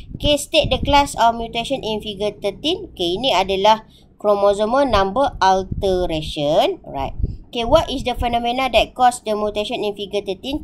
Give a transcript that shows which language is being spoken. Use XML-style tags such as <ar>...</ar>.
<en>Okay, state the class of mutation in figure 13.</en> <ms>Okay, ini adalah chromosomal number alteration.</ms> <en>Alright. Okay, what is the phenomena that cause the mutation in figure 13?</en>